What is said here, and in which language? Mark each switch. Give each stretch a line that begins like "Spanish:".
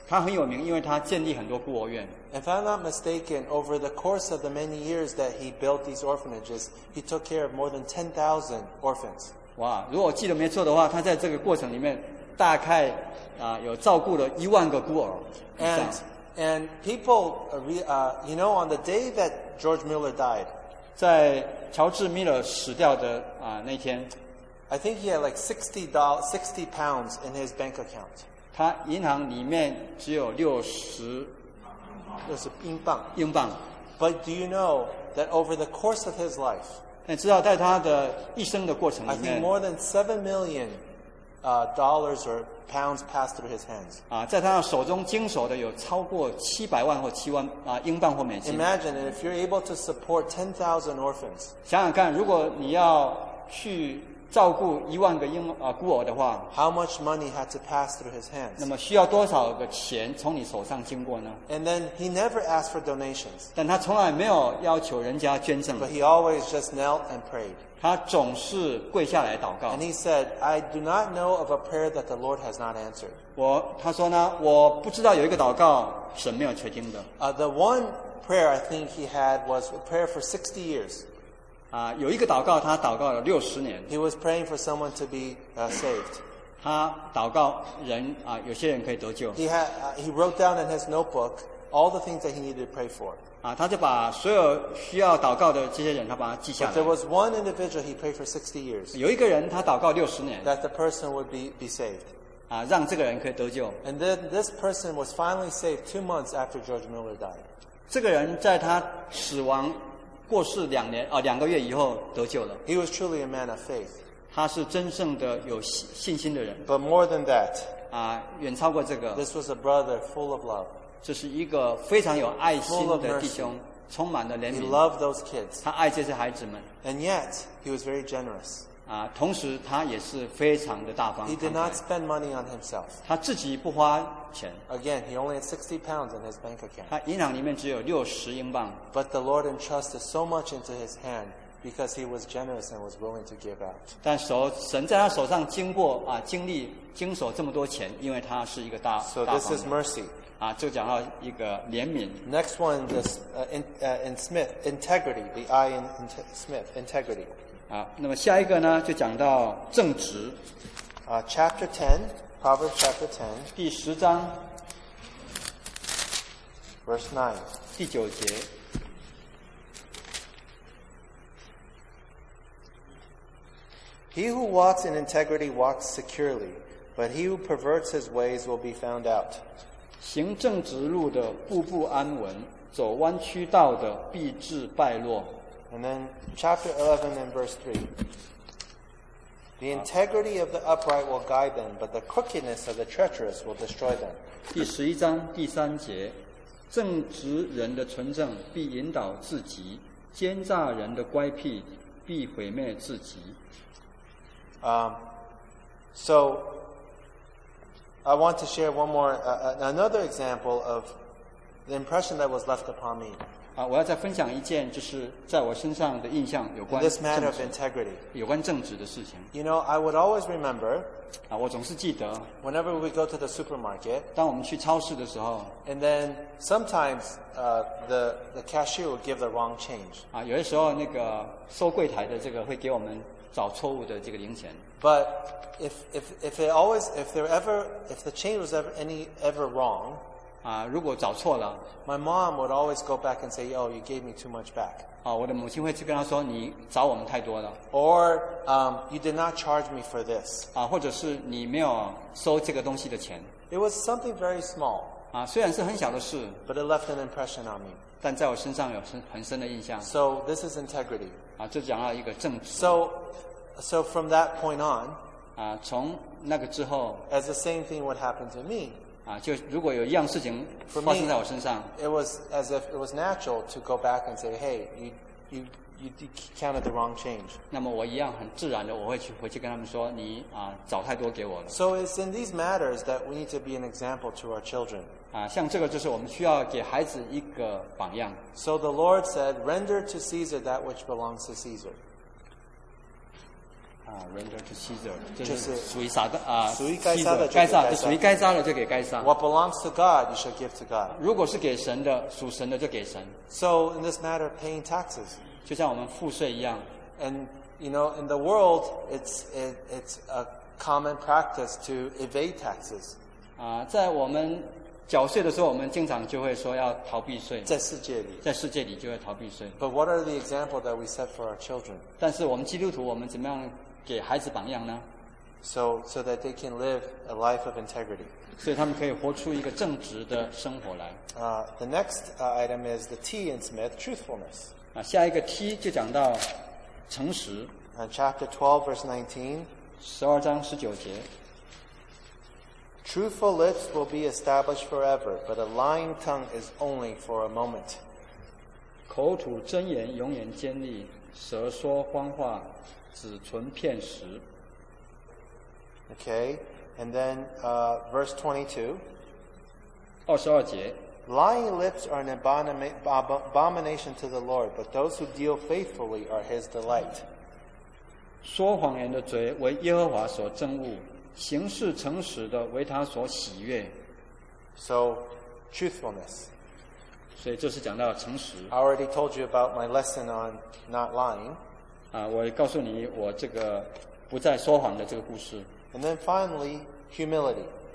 Chinese: 他很有名，因为他建立很多孤儿院。
English: If I'm not mistaken, over the course of the many years that he built these orphanages, he took care of more than 10,000 orphans.
Chinese: 如果我记得没错的话，他在这个过程里面大概有照顾了一万个孤儿。
English: And people, you know, on the day that George Mueller died,
Chinese: 在乔治·米勒死掉的那天
English: ，I think he had like $60 in his bank account.
Chinese: 他银行里面只有60英镑。
English: But do you know that over the course of his life,
Chinese: 你知道在他的一生的过程里面
English: ，I think more than $7 million, dollars or pounds passed through his hands.
Chinese: 在他手中经手的有超过700万或7万英镑或美金。
English: Imagine that if you're able to support 10,000 orphans.
Chinese: 想想看，如果你要去照顾一万个孤儿的话
English: ，How much money had to pass through his hands？
Chinese: 那么需要多少个钱从你手上经过呢
English: ？And then he never asked for donations。
Chinese: 但他从来没有要求人家捐赠。
English: But he always just knelt and prayed。
Chinese: 他总是跪下来祷告。
English: And he said, "I do not know of a prayer that the Lord has not answered."
Chinese: 他说呢，我不知道有一个祷告神没有垂听的。
English: The one prayer I think he had was a prayer for 60 years。
Chinese: 有一个祷告，他祷告了60年。
English: He was praying for someone to be saved.
Chinese: 他祷告人有些人可以得救。
English: He wrote down in his notebook all the things that he needed to pray for.
Chinese: 他就把所有需要祷告的这些人，他把他记下来。
English: But there was one individual he prayed for 60 years.
Chinese: 有一个人，他祷告60年。
English: That the person would be saved.
Chinese: 让这个人可以得救。
English: And then this person was finally saved 2 months after George Mueller died.
Chinese: 这个人在他死亡。过世两年两个月以后得救了。
English: He was truly a man of faith.
Chinese: 他是真正的有信心的人。
English: But more than that,
Chinese: 啊，远超过这个。
English: This was a brother full of love.
Chinese: 这是一个非常有爱心的弟兄，充满了怜悯。
English: He loved those kids.
Chinese: 他爱这些孩子们。
English: And yet, he was very generous.
Chinese: 啊，同时他也是非常的大方。
English: He did not spend money on himself.
Chinese: 他自己不花钱。
English: Again, he only had 60 pounds in his bank account.
Chinese: 他银行里面只有60英镑。
English: But the Lord entrusted so much into his hand. Because he was generous and was willing to give out.
Chinese: 但神在他手上经过啊，经历经手这么多钱，因为他是一个大。
English: So this is mercy.
Chinese: 啊，就讲到一个怜悯。
English: Next one, this in Smith integrity, the I in Smith integrity.
Chinese: 啊，那么下一个呢，就讲到正直。
English: Chapter 10, Proverbs chapter 10,
Chinese: 第十章
English: ，verse 9,
Chinese: 第九节。
English: He who walks in integrity walks securely, but he who perverts his ways will be found out.
Chinese: 行正直路的步步安稳，走弯曲道的必致败落。
English: And then chapter 11 and verse 3. The integrity of the upright will guide them, but the crookedness of the treacherous will destroy them.
Chinese: 第十一章第三节，正直人的纯正必引导自己，奸诈人的乖僻必毁灭自己。
English: So I want to share one more another example of the impression that was left upon me.
Chinese: 啊，我要再分享一件，就是在我身上的印象有关
English: this matter of integrity.
Chinese: 有关正直的事情。
English: You know, I would always remember.
Chinese: 啊，我总是记得。
English: Whenever we go to the supermarket.
Chinese: 当我们去超市的时候。
English: And then sometimes, the cashier would give the wrong change.
Chinese: 啊，有的时候那个收柜台的这个会给我们。找错误的这个零钱。
English: But if they always if there ever if the change was ever any ever wrong,
Chinese: 啊，如果找错了
English: ，my mom would always go back and say, "Oh, you gave me too much back."
Chinese: 啊，我的母亲会去跟他说，你找我们太多了。
English: Or you did not charge me for this.
Chinese: 啊，或者是你没有收这个东西的钱。
English: It was something very small.
Chinese: 啊，虽然是很小的事
English: ，but it left an impression on me.
Chinese: 但在我身上有很深的印象。
English: So this is integrity.
Chinese: 啊，就讲到一个正直。
English: So from that point on,
Chinese: 啊，从那个之后
English: ，as the same thing would happen to me,
Chinese: 啊，就如果有一样事情发生在我身上
English: ，it was as if it was natural to go back and say, "Hey, you counted the wrong change."
Chinese: 那么我一样很自然的，我会去回去跟他们说，你啊，找太多给我了。
English: So it's in these matters that we need to be an example to our children.
Chinese: 啊，像这个就是我们需要给孩子一个榜样。
English: So the Lord said, "Render to Caesar that which belongs to Caesar." Render to Caesar,
Chinese: 就是属于撒的啊，属于该撒的就该撒，就属于该撒的就给该撒。
English: What belongs to God, you should give to God.
Chinese: 如果是给神的，属神的就给神。
English: So in this matter of paying taxes,
Chinese: 就像我们赋税一样。
English: And you know, in the world, it's a common practice to evade taxes.
Chinese: 啊，在我们缴税的时候，我们经常就会说要逃避税。在世界里，在世界里就会逃避税。
English: But what are the example that we set for our children?
Chinese: 但是我们基督徒，我们怎么样？给孩子榜样呢
English: so that they can live a life of integrity.
Chinese: 所以他们可以活出一个正直的生活来。
English: The next item is the T in Smith, truthfulness.
Chinese: 下一个 T 就讲到诚实。
English: Chapter 12, verse 19.
Chinese: 十二章十九节。
English: Truthful lips will be established forever, but a lying tongue is only for a moment.
Chinese: 口吐真言永远坚立，舌说谎话。只存片时。
English: Okay, and then verse 22.
Chinese: 二十二节。
English: Lying lips are an abomination to the Lord, but those who deal faithfully are His delight.
Chinese: 说谎言的嘴为耶和华所憎恶，行事诚实的为他所喜悦。
English: So, truthfulness.
Chinese: 所以这是讲到诚实。
English: I already told you about my lesson on not lying.
Chinese: 我告诉你我这个不再说谎的这个故事。
English: And then finally, humility.